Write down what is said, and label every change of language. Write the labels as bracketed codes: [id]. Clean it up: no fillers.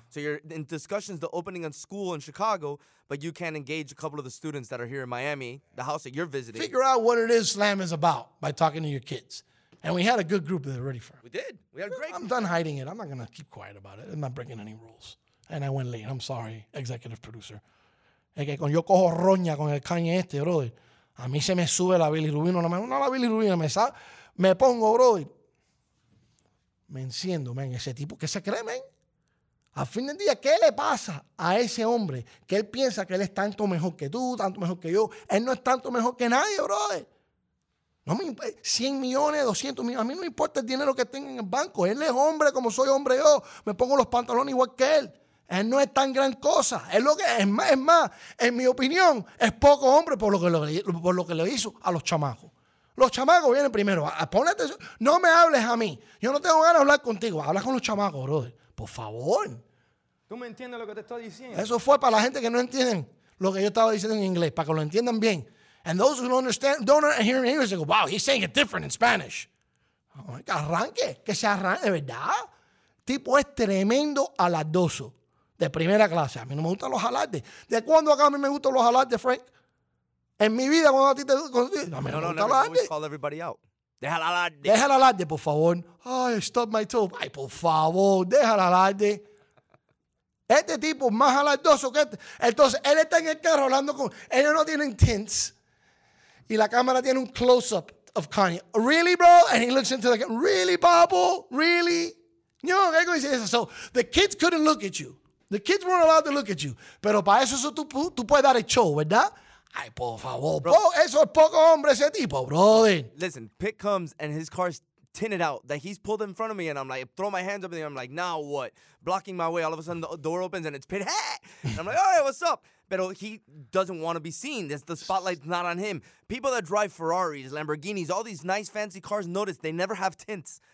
[en] So you're in discussions to opening a school in Chicago, but you can't engage a couple of the students that are here in Miami, the house that you're visiting. Figure out what it is slam is about by talking to your kids. And we had a good group that were ready for it. We did. We had a great group. I'm done hiding it. I'm not going to keep quiet about it. I'm not breaking any rules. And I went late. I'm sorry, executive producer. [es] Es que con yo cojo roña con el caña este, brother. A mí se me sube la bilirrubina. No la bilirrubina, me pongo, bro. Me enciendo, man. Ese tipo, ¿qué se cree, man? Al fin del día, ¿qué le pasa a ese hombre? Que él piensa que él es tanto mejor que tú, tanto mejor que yo. Él no es tanto mejor que nadie, bro. No me importa. 100 millones, 200 millones. A mí no me importa el dinero que tenga en el banco. Él es hombre como soy hombre yo. Me pongo los pantalones igual que él. Él no es tan gran cosa. Es lo que es más, en mi opinión, es poco hombre por lo que le hizo a los chamacos. Los chamacos vienen primero. Pon atención. No me hables a mí. Yo no tengo ganas de hablar contigo. Habla con los chamacos, brother. Por favor. ¿Tú me entiendes lo que te estoy diciendo? Eso fue para la gente que no entienden lo que yo estaba diciendo en inglés, para que lo entiendan bien. [en] And those who don't hear in English, they go, wow, he's saying it different in Spanish. [es] Oh, que arranque, que se arranque, de verdad. Tipo es tremendo alardoso. De primera clase. A mí no me gustan los alardes. ¿De cuándo acá a mí me gustan los alardes, Frank? En mi vida, cuando a ti te gustan. No, no, deja el alarde. Deja el alarde, por favor. Ay, stop my toe. Ay, por favor, deja el alarde. Este tipo es más alardoso que este. Entonces, él está en el carro hablando con... Ellos no tienen tints. Y la cámara tiene un [en] close-up of Kanye. Really, bro? And he looks into the camera. Really, Bobo? Really? [es] No, ¿qué dice eso? [en] So, the kids couldn't look at you. The kids weren't allowed to look at you. [es] Pero para eso, tú puedes dar el show, ¿verdad? Ay, por favor, bro. Eso es poco hombre ese tipo, bro. [en] Listen, Pitt comes and his car's tinted out that he's pulled in front of me and I'm like, throw my hands up and I'm like, now what? Blocking my way. All of a sudden, the door opens and it's Pitt. Hey! And I'm like, all right, what's up? Pero he doesn't want to be seen. The spotlight's not on him. People that drive Ferraris, Lamborghinis, all these nice fancy cars, notice they never have tints.